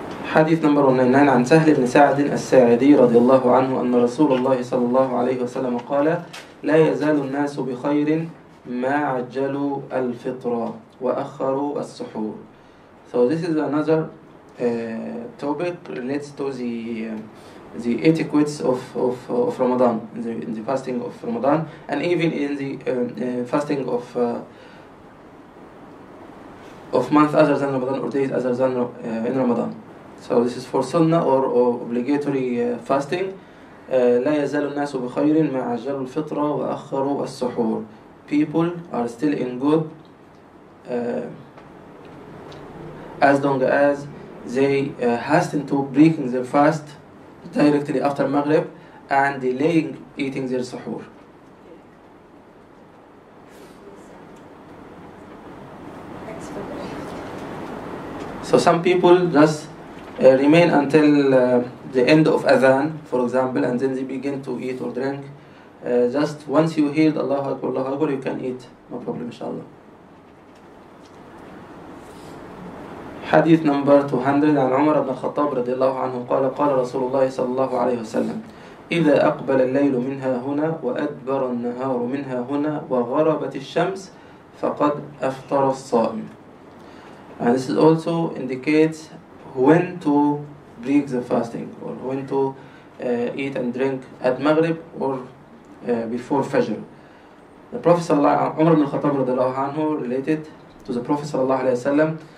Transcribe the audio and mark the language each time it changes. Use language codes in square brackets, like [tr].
[en] Hadith number 199 [ar] عن سهل بن سعد الساعدي رضي الله عنه أن رسول الله صلى الله عليه وسلم قال لا يزال الناس بخير ما عجلوا الفطرة وأخروا السحور. [en] So this is another topic related to the etiquettes of Ramadan, in the fasting of Ramadan, and even in the fasting of month other than Ramadan or days other than in Ramadan. So this is for sunnah or obligatory fasting. [ar] لا يزال الناس بخير ما عجلوا الفطرة وأخروا السحور. [en] People are still in good as long as they hasten to breaking their fast directly after Maghrib and delaying eating their suhoor. So some people just remain until the end of Adhan, for example, and then they begin to eat or drink. Just once you hear Allahu Akbar, Allahu Akbar, you can eat, no problem, inshallah. Hadith number 200 [ar] عن عمر بن الخطاب رضي الله عنه قال قال رسول الله صلى الله عليه وسلم إذا أقبل الليل منها هنا وأدبر النهار منها هنا وغربت الشمس فقد أفطر الصائم. [en] And this also indicates when to break the fasting or when to eat and drink at Maghrib or before Fajr. The Prophet [ar] صلى الله عليه وسلم عمر بن الخطاب رضي الله عنه [en] related to the Prophet [ar] صلى الله عليه وسلم